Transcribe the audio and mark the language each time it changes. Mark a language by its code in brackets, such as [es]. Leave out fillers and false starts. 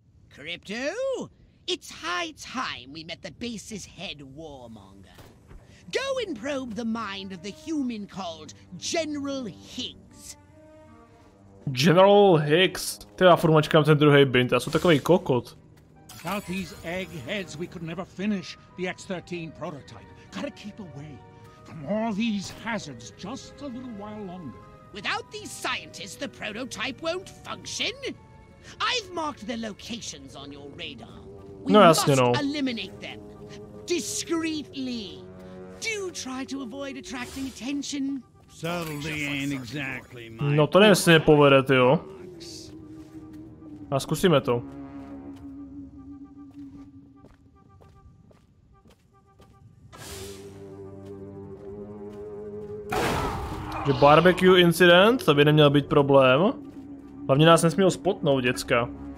[en] Crypto? It's high time we met the base's head warmonger. Go and probe the mind of the human called General Higgs. General Hicks. [cs] Teda furt mačkám ten druhej Bint, já jsem takovej kokot. [en] Without these eggheads, we could never finish the X-13 prototype. Gotta keep away from all these hazards just a little while longer. Without these scientists, the prototype won't function. I've marked the locations on your radar. [cs] We no, jasně, [en] must [cs] no. [en] Eliminate them. Discreetly. Do try to avoid attracting attention. Subtly ain't exactly my... [cs] No to nevím, jestli mě povede, tyjo. A zkusíme to. Že barbecue incident, to by neměl být problém. Hlavně nás nesmíl spotnout, děcka.